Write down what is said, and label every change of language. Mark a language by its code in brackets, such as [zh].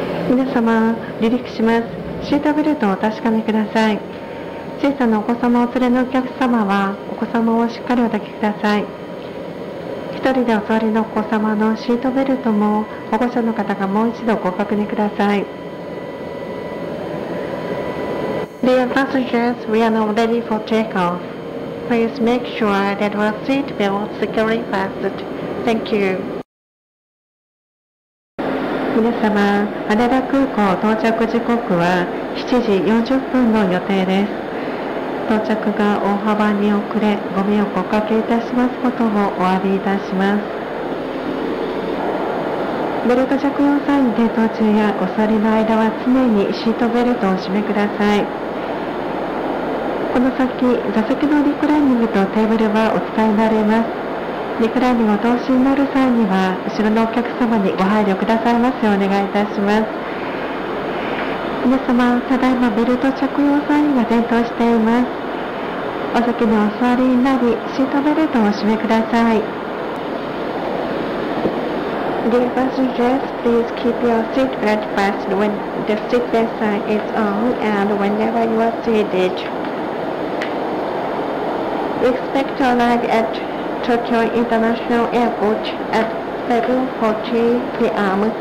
[ja] 皆様、離陸します。シートベルトをお確かめください。小さなお子様をお連れのお客様は、お子様をしっかりお抱きください。一人でお座りのお子様のシートベルトも、保護者の方がもう一度ご確認ください。 [en] Dear passengers, we are now ready for takeoff. Please make sure that your seat belt securely fastened. Thank you. [ja] 皆様、羽田空港到着時刻は7時40分の予定です。到着が大幅に遅れ、ご迷惑をおかけいたしますことをお詫びいたします。ベルト着用際に停泊中やお座りの間は常にシートベルトを締めください。この先、座席のリクライニングとテーブルはお使いになれます。リクライニングを通しになる際には、後ろのお客様にご配慮くださいますようお願いいたします。皆様、ただいまベルト着用サインが点灯しています。お席にお座りになり、シートベルトをお締めください。 [en] Dear passengers, please keep your seat belt fast when the seat belt sign is on and whenever you are seated. We expect to arrive at Tokyo International Airport at 7:40 p.m.